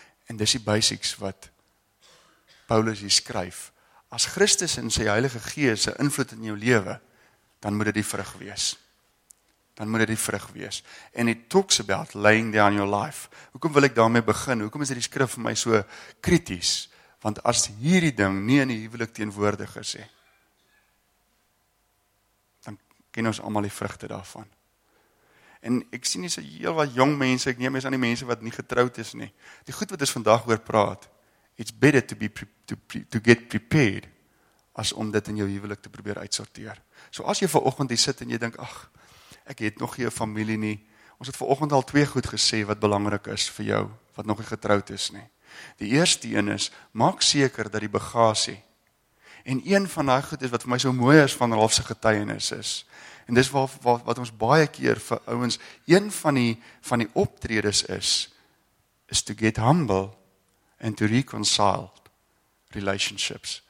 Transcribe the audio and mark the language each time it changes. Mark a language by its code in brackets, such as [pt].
[af] En dis die basics wat Paulus hier skryf. As Christus en sy Heilige Gees 'n invloed in jou lewe, dan moet dit die vrug wees. Dan moet dit die vrug wees. [en] And it talks about laying down your life. [af] Hoekom wil ek daarmee begin? Hoekom is hierdie skrif vir my so krities? Want as hierdie ding nie in die huwelik teenwoordig is, dan ken ons almal die vrugte daarvan. En ek sien hier so heel wat jong mense, ek neem mes aan die mense wat nie getroud is nie. Die goed wat ons vandag oor praat, [en] it's better to get prepared [af] as om dit in jou huwelik te probeer uitsorteer. So as jy vanoggend hier sit en jy dink, ag, ek het nog nie 'n familie nie. Ons het vanoggend al twee goed gesê wat belangrik is vir jou wat nog nie getroud is nie. Die eerste een is, maak seker dat die bagasie. En een van daai goed is wat vir my so mooi is van Ralf se getuienis is. En dis wat ons baie keer vir ouens, een van die optredes is [en] to get humble and to reconcile relationships.